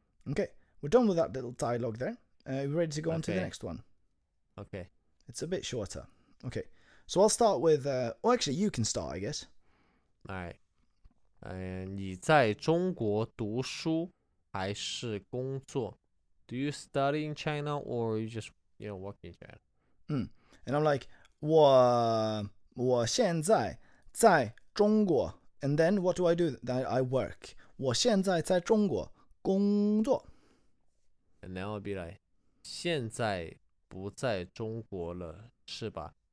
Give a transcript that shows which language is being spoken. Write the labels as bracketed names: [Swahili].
[English] Okay, we're done with that little dialogue there. Are we ready to go on to the Okay. next one? Okay. It's a bit shorter. Okay, so I'll start with, well, actually, you can start, I guess. All right. [Chinese] 你在中国读书还是工作? [English] Do you study in China or you just, work in China? And I'm like, [Chinese] 我现在在中国. [English] And then what do I do? That I work. [Chinese] 我现在在中国工作。 [English] And then I'll be like, [Chinese] 现在不在中国了，是吧?